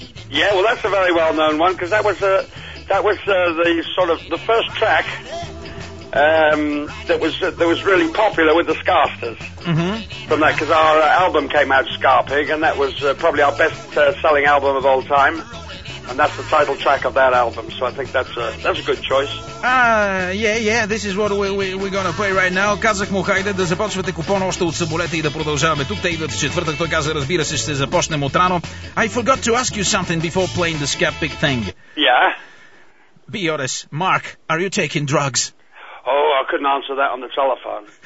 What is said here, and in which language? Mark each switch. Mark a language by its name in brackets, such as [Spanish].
[English] Yeah, well, that's a very well-known one, because that was the first track that was really popular with the Scarsters. Mm-hmm. From that, because our album came out, Scarpig, and that was probably our best-selling album of all time. And that's the title track of that album, so I think that's a good choice. Yeah, this is what we're going to play right now. [Bulgarian] Казах му, хайде да започвате купон още от самолета и да продължаваме тук. Те идват в четвъртък, той каза, разбира се, ще започнем от рано. [English] I forgot to ask you something before playing the Ska Pig thing. Yeah? Be honest, Mark, are you taking drugs? Oh, I couldn't answer that on the telephone.